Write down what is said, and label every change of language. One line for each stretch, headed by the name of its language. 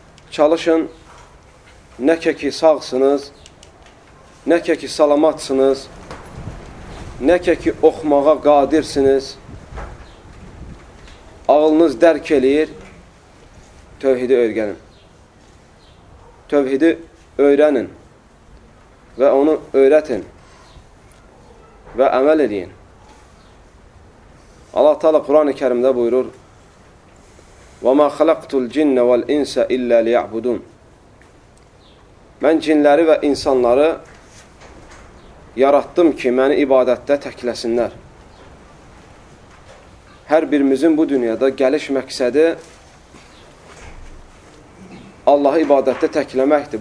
Azerbaijani: Çalışın, nə ki sağsınız, nə ki salamatsınız, nə ki oxumağa qadirsiniz, ağlınız dərk eləyir, tövhidi öyrənin. Tövhidi öyrənin və onu öyrətin və əməl edin. Allah Teala Qur'an-ı Kerimdə buyurur:
Arabic: وَمَا خَلَقْتُ الْجِنَّ وَالْاِنْسَ اِلَّا لِيَعْبُدُونَ.
Azerbaijani: Mən cinləri və insanları yaratdım ki, məni ibadətdə təkləsinlər. Hər birimizin bu dünyada gəliş məqsədi Allahı ibadətdə təkləməkdir.